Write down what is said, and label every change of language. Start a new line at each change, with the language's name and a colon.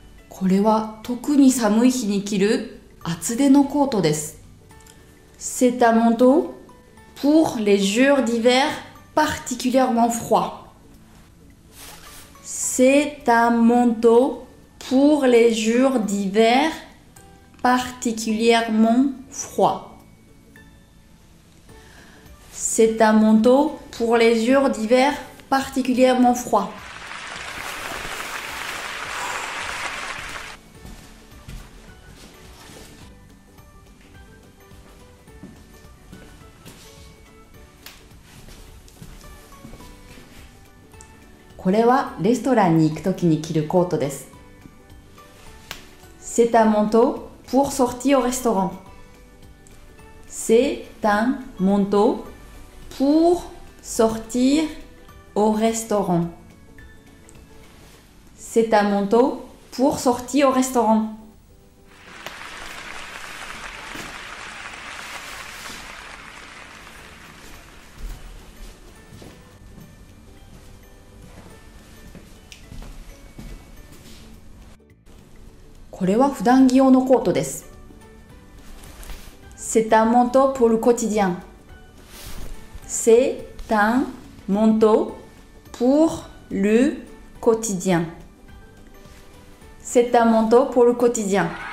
Japanese: これは特に寒い日に着る厚手のコートです。
French: C'est un manteau pour les jours d'hiver particulièrement froid. C'est un manteau pour les jours d'hiver particulièrement froid. C'est un manteau pour les jours d'hiver particulièrement froid.
Japanese: これはレストランに行くときに着るコートです。
French: C'est un manteau pour sortir au restaurant. C'est un manteau pour sortir au restaurant. C'est un manteau pour sortir au restaurant.
Japanese: これは普段着用のコートです。
French: C'est un manteau pour le quotidien. C'est un manteau pour le quotidien. C'est un manteau pour le quotidien.